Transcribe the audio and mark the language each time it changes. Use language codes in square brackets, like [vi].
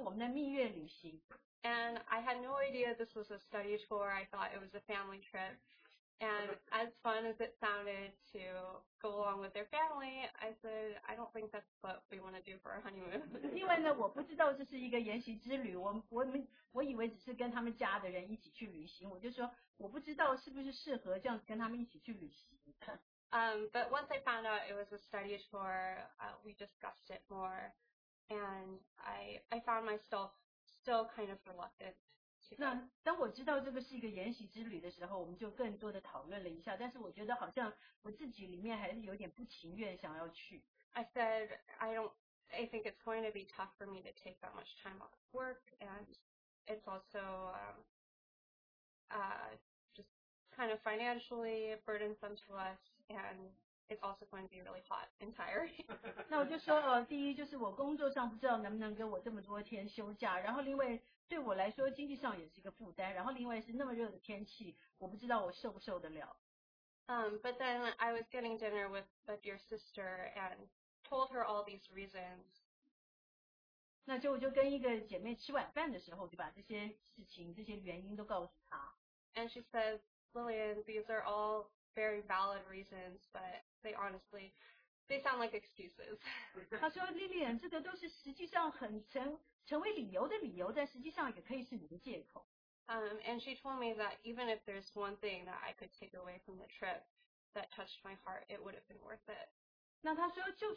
[en] And I had no idea this was a study tour. I thought it was a family trip. And as fun as it sounded to go along with their family, I said, I don't think that's what we want to do for our honeymoon. [zh] 另外呢，我不知道这是一个研习之旅，我以为只是跟他们家的人一起去旅行，我就说我不知道是不是适合这样跟他们一起去旅行。But [en] once I found out it was a study tour, we discussed it more, and I found myself still kind of reluctant. [zh] 那当我知道这个是一个研习之旅的时候，我们就更多的讨论了一下。但是我觉得好像我自己里面还是有点不情愿想要去。I [en] said I think it's going to be tough for me to take that much time off work, and it's also just kind of financially burdensome to us, and it's also going to be really hot and tiring. [zh] 那我就说，第一就是我工作上不知道能不能给我这么多天休假，然后另外对我来说经济上也是一个负担，然后另外是那么热的天气，我不知道我受不受得了。 [en] But then I was getting dinner with your sister and told her all these reasons. [zh] 那就我就跟一个姐妹吃晚饭的时候，就把这些事情、这些原因都告诉她。 [en] And she said, Lillian, these are all very valid reasons, but they honestly, they sound like excuses. [zh] 她说, Lillian, 这个都是实际上很成为理由的理由，但实际上也可以是你的借口。 [en] And she told me that even if there's one thing that I could take away from the trip that touched my heart, it would have been worth it.